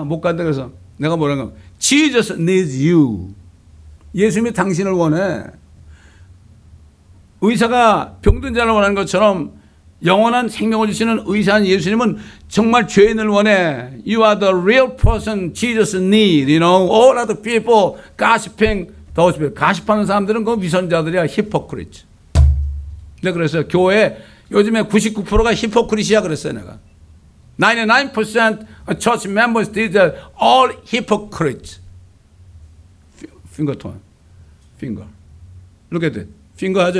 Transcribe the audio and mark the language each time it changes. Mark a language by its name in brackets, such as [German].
[Korean] 못 간다 그래서 내가 뭐라고 [English] Jesus needs you. [Korean] 예수님이 당신을 원해. 의사가 병든 자를 원하는 것처럼 영원한 생명을 주시는 의사인 예수님은 정말 죄인을 원해. [English] You are the real person Jesus needs. You know, all other people gossiping, those people. [Korean] 가십하는 사람들은 그 위선자들이야. [English] Hypocrites. [Korean] 내가 그랬어요. 교회 요즘에 99%가 hypocrites이야. 그랬어요. 내가. [English] 99% church members, these are all hypocrites. Finger tone. Finger. Look at it. Finger [Korean] 하죠.